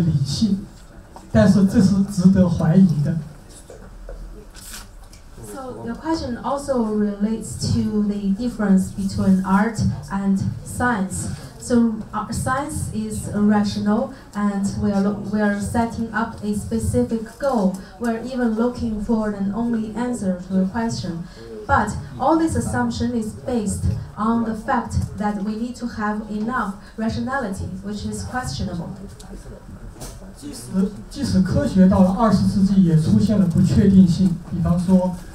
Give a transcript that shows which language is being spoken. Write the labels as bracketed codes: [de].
[zh] 其实这你刚刚提的这个，其实是文学和科学的一个区别。科学就是说它是非常理性的，它是可以有一个确定的目标，甚至追求唯一的答案。它几乎没有神秘感。但是我们这个世界上，我们对科学的这种信念，其实是基于我们认为我们有足够的理性。但是这是值得怀疑的。 [en] The question also relates to the difference between art and science. So science is rational, and we are setting up a specific goal. We're even looking for an only answer to a question. But all this assumption is based on the fact that we need to have enough rationality, which is questionable. [zh] 即使科学到了20世纪，也出现了不确定性，比方说。